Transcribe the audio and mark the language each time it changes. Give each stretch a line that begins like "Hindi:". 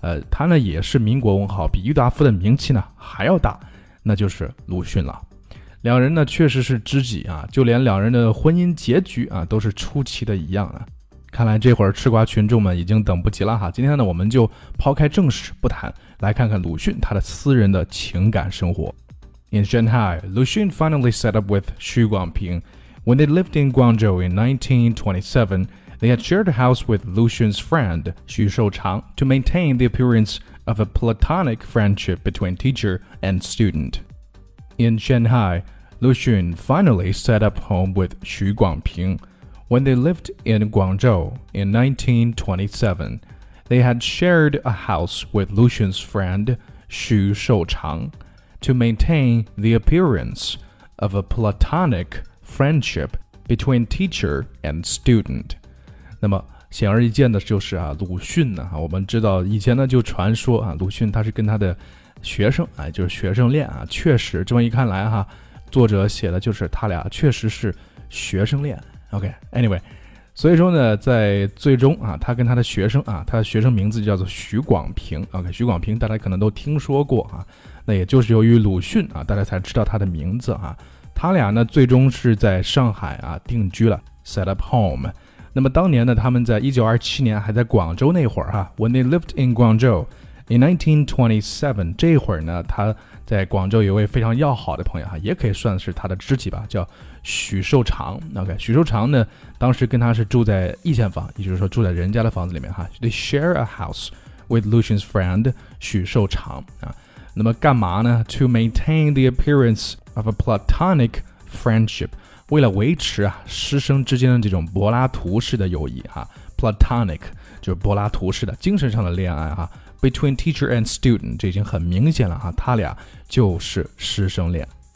Chinese: 他呢也是民国文豪，比郁达夫的名气呢还要大，那就是鲁迅了。两人呢确实是知己啊，就连两人的婚姻结局啊都是出奇的一样啊。看来这会儿吃瓜群众们已经等不及了哈。今天呢我们就抛开正史不谈，来看看鲁迅他的私人的情感生活。
English: In Shanghai, Lu Xun finally set up with Xu Guangping. When they lived in Guangzhou in 1927, they had shared a house with Lu Xun's friend, Xu Shouchang, to maintain the appearance of a platonic friendship between teacher and student. In Shanghai, Lu Xun finally set up home with Xu Guangping. When they lived in Guangzhou in 1927, they had shared a house with Lu Xun's friend, Xu Shouchang,to maintain the appearance of a platonic friendship between teacher and student.
Chinese: 那么显而易见的就是啊，鲁迅呢，我们知道以前呢就传说啊，鲁迅他是跟他的学生啊，就是学生恋啊，确实这么一看来哈，作者写的就是他俩确实是学生恋。 OK,Anyway,所以说呢，在最终啊，他跟他的学生啊，他的学生名字叫做徐广平。 OK, 徐广平大家可能都听说过啊。那也就是由于鲁迅啊，大家才知道他的名字啊。他俩呢，最终是在上海啊定居了 ，
English: set up home。
Chinese: 那么当年呢，他们在1927年还在广州那会儿啊 ，
English: when they lived in Guangzhou in 1927，
Chinese: 这会儿呢，他在广州有位非常要好的朋友啊，也可以算是他的知己吧，叫许寿长。 OK， 许寿长呢，当时跟他是住在一间房，也就是说住在人家的房子里面哈。
English: They share a house with Lucian's friend 许寿长啊。
Chinese: 那么干嘛呢 ？
English: To maintain the appearance of a platonic friendship，
Chinese: 为了维持啊师生之间的这种柏拉图式的友谊哈 ，platonic 就是柏拉图式的精神上的恋爱哈 ，
English: between teacher and student，
Chinese: 这已经很明显了哈，他俩就是师生恋。